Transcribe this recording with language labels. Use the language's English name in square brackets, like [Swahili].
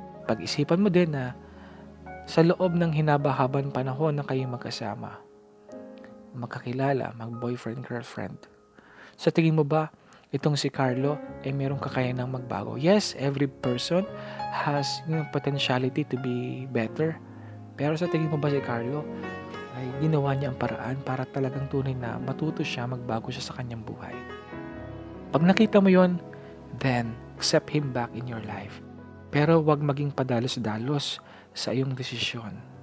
[Filipino] Pag-isipan mo din na sa loob ng hinabahaban panahon na kayong magkasama, magkakilala, mag-boyfriend, girlfriend, sa tingin mo ba itong si Carlo ay mayroong kakayanang magbago? [English] Yes, every person has yung potentiality to be better. [Filipino] Pero sa tingin mo ba si Carlo ay ginawa niya ang paraan para talagang tunay na matuto siya, magbago siya sa kanyang buhay? Pag nakita mo yon, [English] then accept him back in your life. [Filipino] Pero huwag maging padalos-dalos sa iyong desisyon.